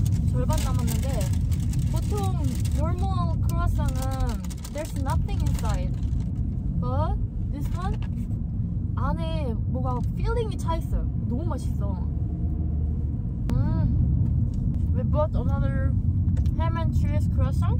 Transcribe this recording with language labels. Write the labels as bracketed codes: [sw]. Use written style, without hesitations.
[ko] 절반 남았는데 보통 [en] normal croissant은 there's nothing inside. But this one [ko] 안에 뭐가 filling이 차 있어. 너무 맛있어. [en] We bought another ham and cheese croissant.